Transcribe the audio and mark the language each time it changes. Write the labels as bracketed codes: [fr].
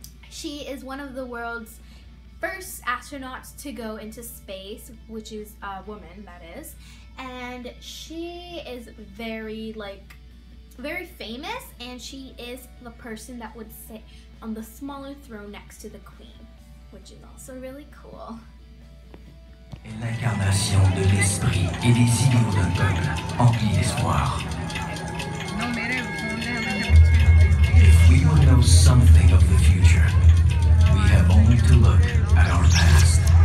[en] She is one of the world's first astronauts to go into space, which is a woman, that is, and she is very very famous, and she is the person that would sit on the smaller throne next to the queen, which is also really cool. [fr] Et l'incarnation de l'esprit et des idéaux d'un peuple empli d'espoir. [en] If we want to know something of the future, we have only to look at our past.